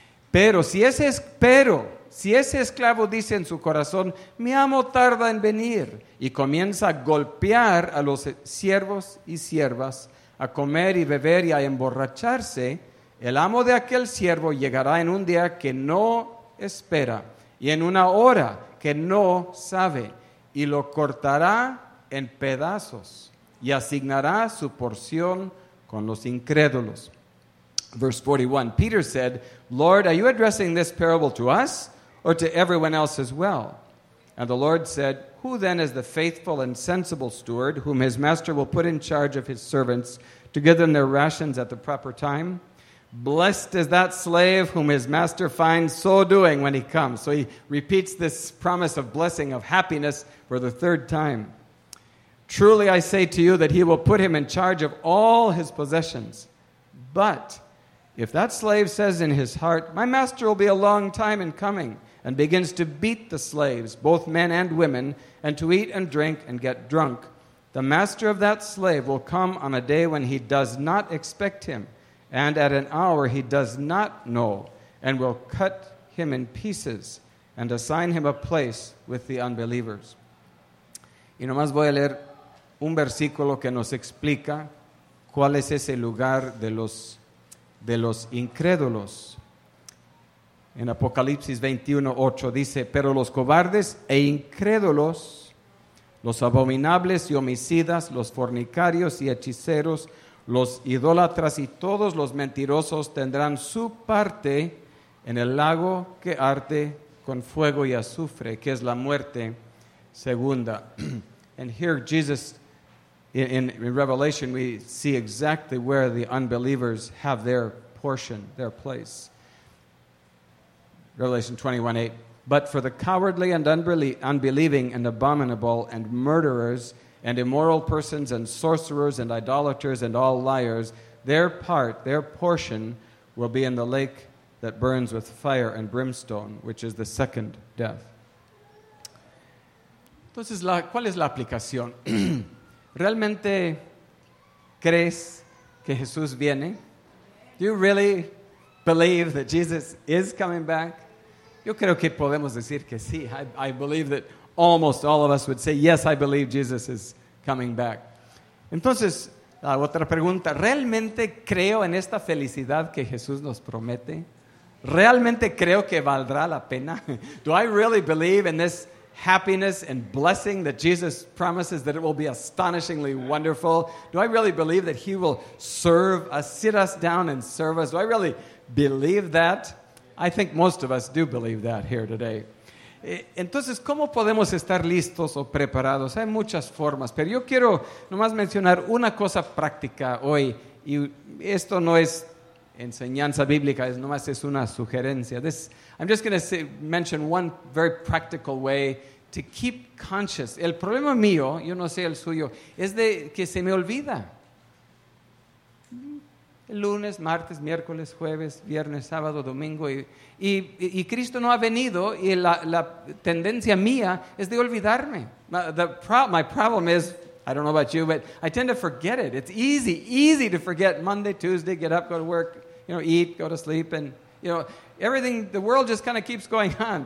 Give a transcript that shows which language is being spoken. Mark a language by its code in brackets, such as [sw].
[es] Pero si ese esclavo dice en su corazón, mi amo tarda en venir, y comienza a golpear a los siervos y siervas, a comer y beber y a emborracharse, el amo de aquel siervo llegará en un día que no espera, y en una hora que no sabe, y lo cortará en pedazos y asignará su porción con los incrédulos. [en] Verse 41, Peter said, Lord, are you addressing this parable to us or to everyone else as well? And the Lord said, who then is the faithful and sensible steward whom his master will put in charge of his servants to give them their rations at the proper time? Blessed is that slave whom his master finds so doing when he comes. So he repeats this promise of blessing, of happiness, for the third time. Truly I say to you that he will put him in charge of all his possessions. But if that slave says in his heart, my master will be a long time in coming, and begins to beat the slaves, both men and women, and to eat and drink and get drunk, the master of that slave will come on a day when he does not expect him, and at an hour he does not know, and will cut him in pieces and assign him a place with the unbelievers. [es] Y nomás voy a leer un versículo que nos explica cuál es ese lugar de los incrédulos. En Apocalipsis 21:8 dice, pero los cobardes e incrédulos, los abominables y homicidas, los fornicarios y hechiceros, los idólatras y todos los mentirosos tendrán su parte en el lago que arde con fuego y azufre, que es la muerte segunda. [en] And here Jesus, in Revelation, we see exactly where the unbelievers have their portion, their place. Revelation 21:8. But for the cowardly and unbelieving and abominable and murderers and immoral persons and sorcerers and idolaters and all liars, their part, their portion, will be in the lake that burns with fire and brimstone, which is the second death. [es] Entonces, ¿cuál es la aplicación? ¿Realmente crees que Jesús viene? [en] Do you really believe that Jesus is coming back? [es] Yo creo que podemos decir que sí. [en] I believe that almost all of us would say, yes, I believe Jesus is coming back. [es] Entonces, la otra pregunta, ¿realmente creo en esta felicidad que Jesús nos promete? ¿Realmente creo que valdrá la pena? [en] Do I really believe in this happiness and blessing that Jesus promises that it will be astonishingly wonderful? Do I really believe that he will serve us, sit us down and serve us? Do I really believe that? I think most of us do believe that here today. [es] Entonces, ¿cómo podemos estar listos o preparados? Hay muchas formas, pero yo quiero nomás mencionar una cosa práctica hoy. Y esto no es enseñanza bíblica, es nomás es una sugerencia. [en] I'm just going to mention one very practical way to keep conscious. [es] El problema mío, yo no sé el suyo, es de que se me olvida. Lunes, martes, miércoles, jueves, viernes, sábado, domingo. Y Cristo no ha venido y la tendencia mía es de olvidarme. [en] My problem is, I don't know about you, but I tend to forget it. It's easy to forget Monday, Tuesday, get up, go to work, you know, eat, go to sleep. And, you know, everything, the world just kind of keeps going on.